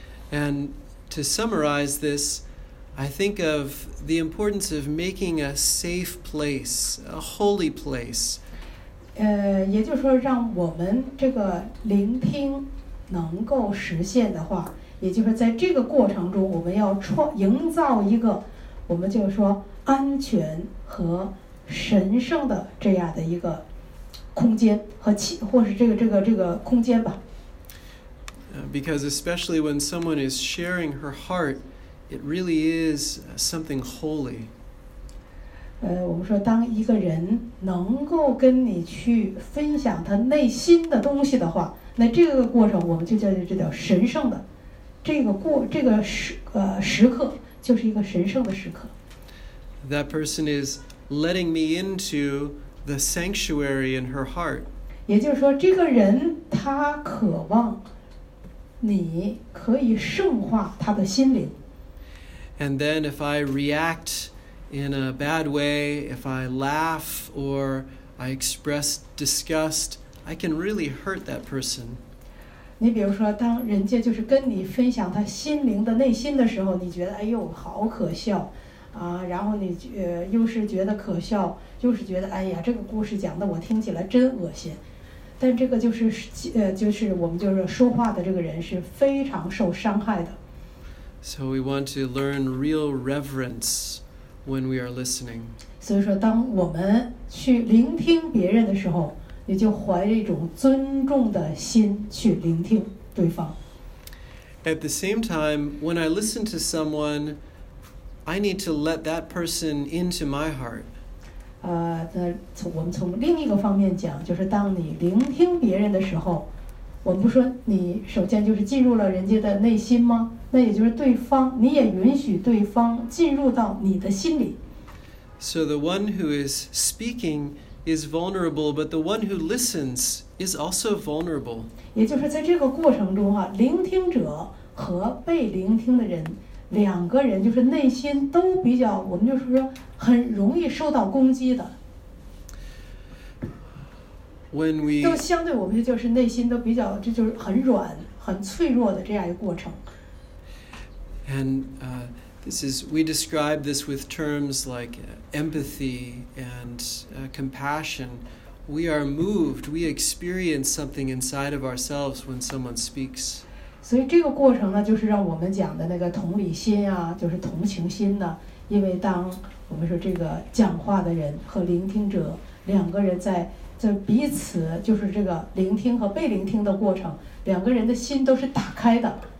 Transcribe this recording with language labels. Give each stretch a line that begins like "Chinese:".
English: And to summarize this, I think of the importance of making a safe place, a holy place.
Chinese: 也就是说让我们这个聆听能够实现的话，也就是在这个过程中我们要营造一个我们就是说安全和神圣的这样的一个空间和气，或是这个空间吧。
English: Because especially when someone is sharing her heart, it really is something holy.
Chinese: 我们说当一个人能够跟你去分享他内心的东西的话，那这个过程我们就叫这叫神圣的，这个时刻就是一个神圣的时刻。
English: That person is letting me into the sanctuary in her heart.
Chinese: 也就是说这个人他渴望你可以圣化他的心灵。
English: And then if I react in a bad way, if I laugh or I express disgust, I can really hurt that person.
Chinese: 你比如说当人家就是跟你分享他心灵的内心的时候，你觉得哎呦好可笑啊，然后你又是觉得可笑，又是觉得哎呀这个故事讲的我听起来真恶心。但这个就是就是我们就是说话的这个人是非常受伤害的。
English: So we want to learn real reverence when we are listening.
Chinese: 所以说当我们去聆听别人的时候，你就怀着一种尊重的心去聆听对方。
English: At the same time, when I listen to someone, I need to let that person into my heart.
Chinese: 我们从另一个方面讲，就是当你聆听别人的时候，我们不说你首先就是进入了人家的内心吗？那也就是对方，你也允许对方进入到你的心里。
English: So the one who is speaking is vulnerable, but the one who listens is also vulnerable.
Chinese: 也就是在这个过程中啊，聆听者和被聆听的人，两个人就是内心都比较，我们就是说很容易受到攻击的。
English: When we
Chinese: 都相对我们就是内心都比较，这就是很软、很脆弱的这样一个过程。
English: And this is, we describe this with terms like empathy and compassion. We are moved, we experience something inside of ourselves when someone speaks.
Chinese: 所以这个过程呢，就是让我们讲的那个同理心啊，就是同情心呢，因为当我们说这个讲话的人和聆听者两个人在彼此就是这个聆听和被聆听的过程，两个人的心都是打开的。